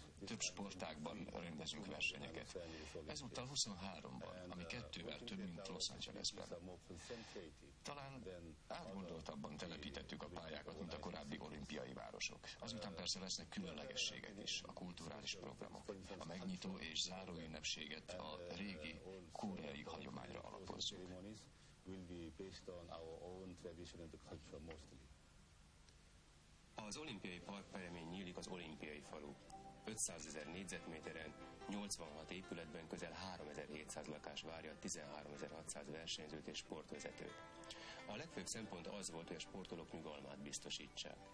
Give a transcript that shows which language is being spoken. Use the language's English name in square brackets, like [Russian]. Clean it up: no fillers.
[Hungarian] Több sportágban rendezünk versenyeket. Ezúttal 23-ban, ami 2-vel több, mint Los Angelesben. Talán átgondoltabban telepítettük a pályákat, mint a korábbi olimpiai városok. Azután persze lesznek különlegességek is, a kulturális programok. A megnyitó és záró ünnepséget a régi koreai hagyományra alapozzuk. [English] Will be based on our own tradition and culture mostly. [Hungarian] Az olimpiai park peremén nyílik az olimpiai falu. 500 ezer négyzetméteren, 86 épületben közel 3700 lakás várja 13600 versenyzőt és sportvezetőt. A legfőbb szempont az volt, hogy a sportolók nyugalmát biztosítsák.